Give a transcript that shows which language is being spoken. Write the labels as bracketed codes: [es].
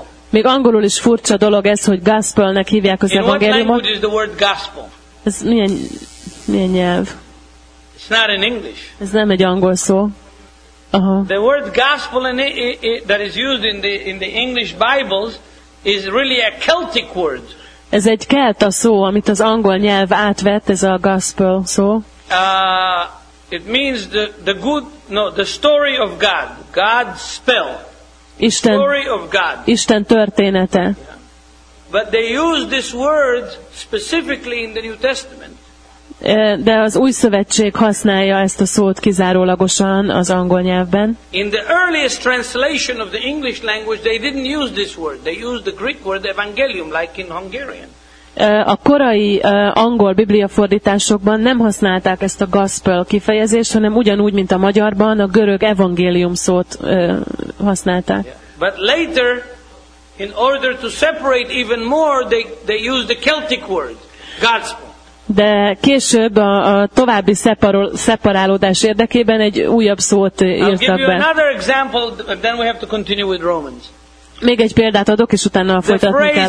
[hu] Még angolul is, furcsa dolog ez, hogy gospelnek hívják az evangéliumot. [en] In what language is the word gospel? [hu] Ez milyen nyelv? [en] It's not in English. [hu] Ez nem egy angol szó. Aha. [en] The word gospel that is used in the English Bibles is really a Celtic word. [hu] Ez egy kelta szó, amit az angol nyelv átvett, ez a gospel szó. [en] It means the story of God. God's spell. [hu] Isten, [en] story of God. [hu] Isten története. [en] But they use this word specifically in the New Testament. [hu] De az Új Szövetség használja ezt a szót kizárólagosan az angol nyelvben. [en] In the earliest translation of the English language they didn't use this word. They used the Greek word evangelium like in Hungarian. [hu] A korai angol biblia fordításokban nem használták ezt a gospel kifejezést, hanem ugyanúgy, mint a magyarban, a görög evangélium szót használták. [en] Yeah. But later, in order to separate even more, they used the Celtic word, gospel. [hu] De később a további szeparálódás érdekében egy újabb szót írtak be. [en] I'll give you another example, then we have to continue with Romans. [hu] Még egy példát adok, és utána folytatni kell.